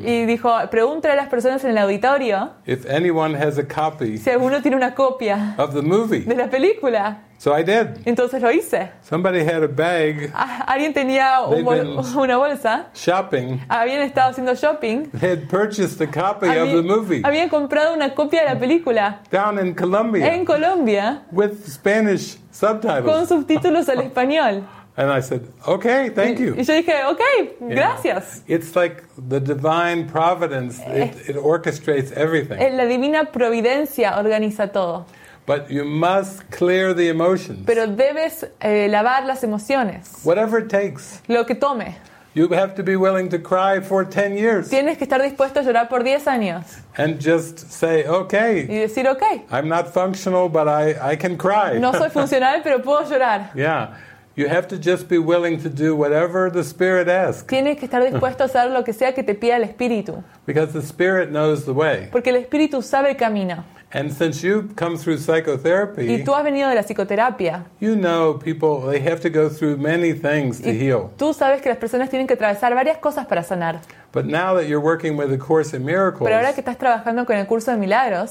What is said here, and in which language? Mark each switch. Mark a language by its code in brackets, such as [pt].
[es] Y dijo, pregúntale a las personas en el auditorio. [en] If anyone has a copy. [es] Si alguno tiene una copia. [en] Of the movie. [es] De la película. [en] So I did. [es] Entonces lo hice. [en] Somebody had a bag. [es] Alguien tenía una bolsa. [en] Shopping. [es] Habían estado haciendo shopping. [en] They had purchased a copy of the movie. [es] Habían comprado una copia de la película. [en] Down in Colombia. [es] En Colombia. [en] With Spanish subtitles. [es] Con subtítulos al español. [en] And I said, okay, thank you. [es] Y yo dije, okay, gracias. You [en] know, it's like the divine providence. It orchestrates everything. [es] La divina providencia organiza todo. [en] But you must clear the emotions. [es] Pero debes lavar las emociones. [en] Whatever it takes. [es] Lo que tome. [en] You have to be willing to cry for 10 years. [es] Tienes que estar dispuesto a llorar por 10 años. [en] And just say, okay. [es] Y decir, okay. [en] I'm not functional, but I can cry. [es] No soy funcional, pero puedo llorar. [en] Yeah. You have to just be willing to do whatever the Spirit asks. [es] Tienes que estar dispuesto a hacer lo que sea que te pida el Espíritu. [en] Because the Spirit knows the way. [es] Porque el Espíritu sabe el camino. [en] And since you've come through psychotherapy, [es] y tú has venido de la psicoterapia, [en] you know people, they have to go through many things to heal. [es] Tú sabes que las personas tienen que atravesar varias cosas para sanar. [en] But now that you're working with the Course in Miracles, [es] pero ahora que estás trabajando con el Curso de Milagros,